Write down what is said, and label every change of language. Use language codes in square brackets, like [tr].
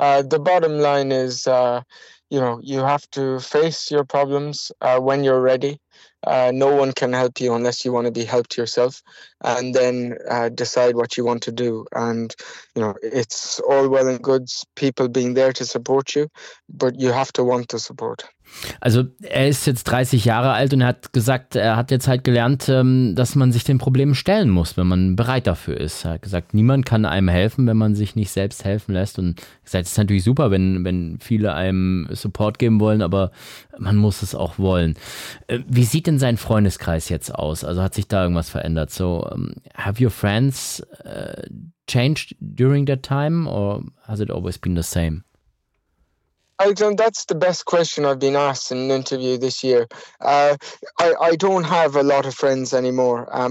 [en] The bottom line is, you know, you have to face your problems when you're ready. No one can help you unless you want to be helped yourself, and then decide what you want to do. And, you know, it's all well and good people being there to support you, but you have to want the support. [de] Also er ist jetzt 30 Jahre alt und er hat gesagt, er hat jetzt halt gelernt, dass man sich den Problemen stellen muss, wenn man bereit dafür ist. Er hat gesagt, niemand kann einem helfen, wenn man sich nicht selbst helfen lässt. Und gesagt, es ist natürlich super, wenn viele einem Support geben wollen, aber man muss es auch wollen. Wie sieht denn sein Freundeskreis jetzt aus? Also hat sich da irgendwas verändert? [en] So, have your friends changed during that time or has it always been the same? Alexander, that's the best question I've been asked in an interview this year. I don't have a lot of friends anymore.